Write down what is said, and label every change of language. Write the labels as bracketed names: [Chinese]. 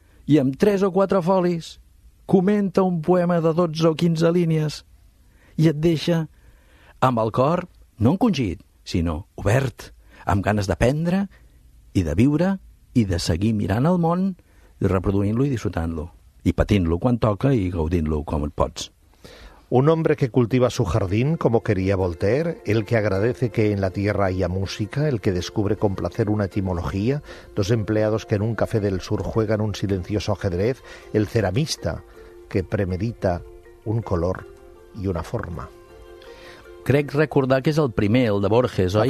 [Catalan] i amb 3 o 4 folis comenta un poema de 12 o 15 línies i et deixa amb el cor, no encongit, sinó obert, amb ganes d'aprendre i de viure i de seguir mirant el món, reproduint-lo i disfrutant-lo, i patint-lo quan toca i gaudint-lo com et pots. [Spanish] Un hombre que cultiva su jardín como quería Voltaire, el que agradece que en la tierra haya música, el que descubre con placer una etimología, dos empleados que en un café del sur juegan un silencioso ajedrez, el ceramista que premedita un color i una forma. [Catalan] Crec recordar que és el primer, el de Borges, oi?